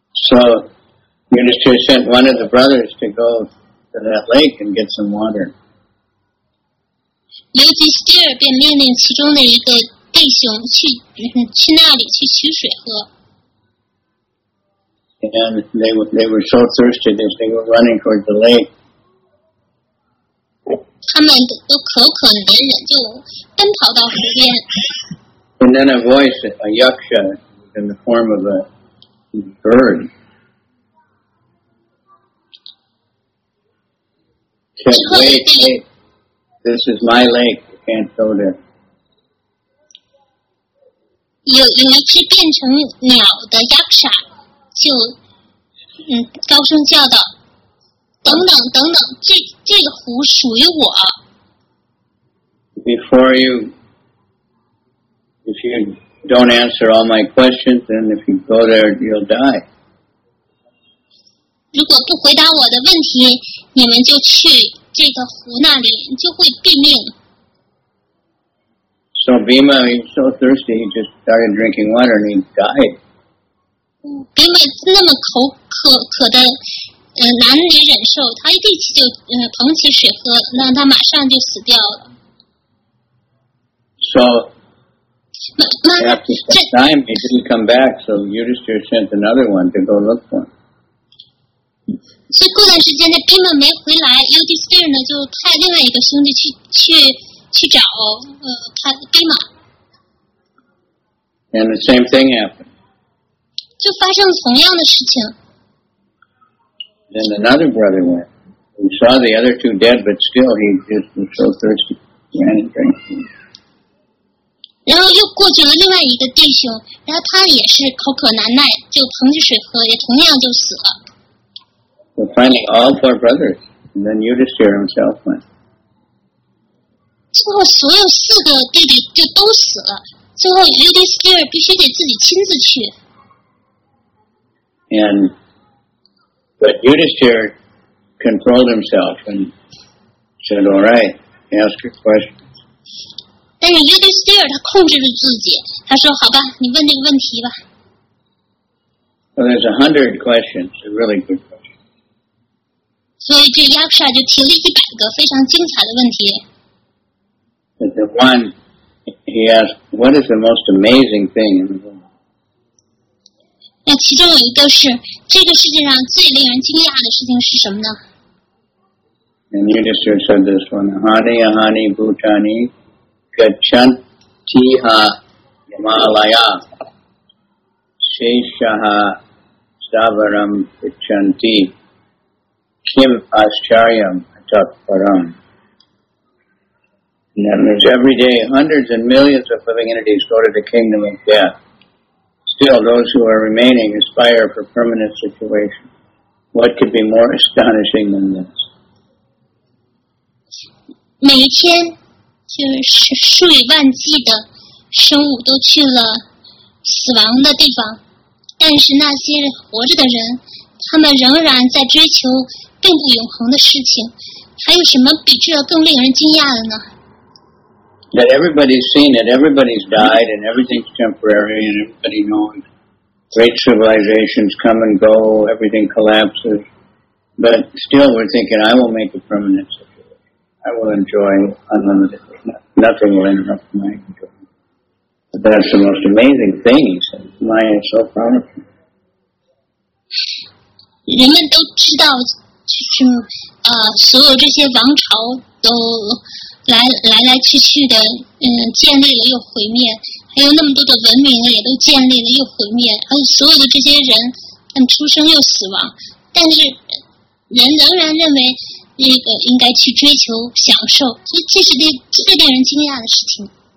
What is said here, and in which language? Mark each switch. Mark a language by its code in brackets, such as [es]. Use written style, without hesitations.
[en] So Yudhishthira sent one of the brothers to go to that lake and get some water. [zh] Yudhishthira 便命令其中的一个弟兄去那里去取水喝。 [en] And they were so thirsty that they were running towards the lake. [zh] 他们都渴渴难忍，就奔跑到湖边。 [en] And then a voice, a yaksha, in the form of a bird, said, "Wait, wait, this is my lake. You can't go there." [zh] 有一只变成鸟的 yaksha 就高声叫道。等等等等，这个湖属于我。 [en] Before you, if you don't answer all my questions, then if you go there, you'll die. [zh] 如果不回答我的问题，你们就去这个湖那里，就会毙命。 [en] So Bhima, he's so thirsty, he just started drinking water and he died. [zh] Bhima 那么口渴渴的。难以忍受，他一气就捧起水喝，那他马上就死掉了。 [en] So, after some time, he didn't come back. So Yudhishthira sent another one to go look for him. [zh] 所以过段时间呢，兵们没回来 ，Yudhishthira 呢就派另外一个兄弟去找他兵马。 [en] And the same thing happened. [zh] 就发生了同样的事情。 [en] Then another brother went. He saw the other two dead, but still he just was so thirsty. He ran and drank. [zh] 然后又过去了另外一个弟兄，然后他也是口渴难耐，就捧起水喝，也同样就死了。 [en] So finally, all four brothers, and then Yudhishthira himself went. [zh] 最后，所有四个弟弟就都死了。最后 ，Yudhishthira 必须得自己亲自去。 [en] And But Yudhishthira controlled himself and said, "All right, ask your questions." [zh] 但是 Yudhishthira 他控制了自己，他说：“好吧，你问那个问题吧。” [en] Well, there's 100 questions, a really good question. [zh] 所以这 Yaksha 就提了100个非常精彩的问题。 [en] But the one he asked, "What is the most amazing thing in the world?" [zh] 那其中有一个是。这个世界上最令人惊讶的事情是什么呢？ [en] And Yudhishthira said this one, [sa] "Hani ahani bhutani gacchantiha yamalaya sheshaha stavaram gacchanti kim ascharyam atat param." [en] That means every day, hundreds and millions of living entities go to the kingdom of death. Still, those who are remaining aspire for permanent situation. What could be more astonishing than this? [zh] 每一天就是数以万计的生物都去了死亡的地方，但是那些活着的人，他们仍然在追求并不永恒的事情。还有什么比这更令人惊讶的呢？ [en] That everybody's seen it, everybody's died, and everything's temporary, and everybody knows great civilizations come and go, everything collapses, but still we're thinking, I will make a permanent situation. I will enjoy unlimited. Nothing will interrupt my enjoyment. That's the most amazing thing, Maya is so proud of me. [zh] 人们都知道，就是所有这些王朝都来去去的，建立了又毁灭，还有那么多的文明也都建立了又毁灭，而所有的这些人，他们出生又死亡，但是人仍然认为那个应该去追求享受，所以这是最令人惊讶的事情。